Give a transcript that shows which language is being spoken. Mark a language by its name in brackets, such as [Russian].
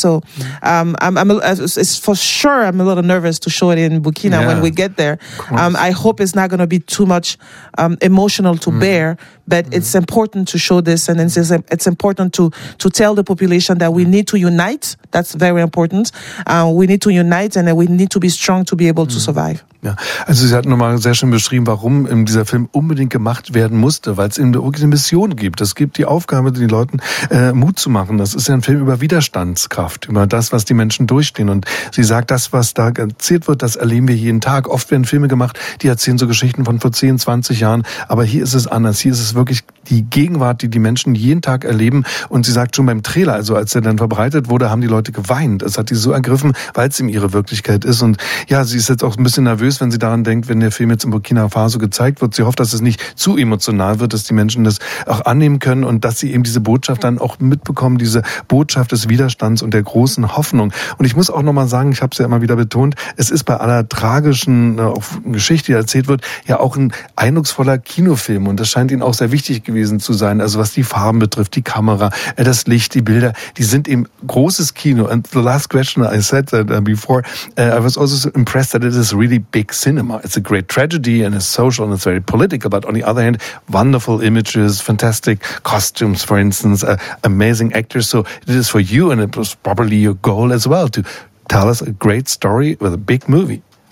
[English] So, it's for sure I'm a little nervous to show it in Burkina when we get there. I hope it's not going to be too much emotional to bear, but it's important to show this, and it's important to tell the population that we need to unite. That's very important. We need to unite and we need to be strong to be able to survive. [German] Ja, also sie hat nochmal sehr schön beschrieben, warum dieser Film unbedingt gemacht werden musste, weil es eben wirklich eine Mission gibt. Es gibt die Aufgabe, den Leuten Mut zu machen. Das ist ja ein Film über Widerstandskraft, über das, was die Menschen durchstehen. Und sie sagt, das, was da erzählt wird, das erleben wir jeden Tag. Oft werden Filme gemacht, die erzählen so Geschichten von vor 10, 20 Jahren. Aber hier ist es anders. Hier ist es wirklich die Gegenwart, die die Menschen jeden Tag erleben. Und sie sagt schon beim Trailer, also als er dann verbreitet wurde, haben die Leute geweint. Es hat sie so ergriffen, weil es eben ihre Wirklichkeit ist. Und ja, sie ist jetzt auch ein bisschen nervös, wenn sie daran denkt, wenn der Film jetzt in Burkina Faso gezeigt wird. Sie hofft, dass es nicht zu emotional wird, dass die Menschen das auch annehmen können und dass sie eben diese Botschaft dann auch mitbekommen, diese Botschaft des Widerstands und der großen Hoffnung. Und ich muss auch nochmal sagen, ich habe es ja immer wieder betont, es ist bei aller tragischen Geschichte, die erzählt wird, ja auch ein eindrucksvoller Kinofilm und das scheint ihnen auch sehr wichtig gewesen zu sein. Also was die Farben betrifft, die Kamera, das Licht, die Bilder, die sind eben großes Kino. [English] And the last question I said that before, I was also so impressed that it is really big cinema. It's a great tragedy and it's social and it's very political, but on the other hand, wonderful images, fantastic costumes, for instance, amazing actors. So it is for you and it was probably your goal as well to tell us a great story with a big movie.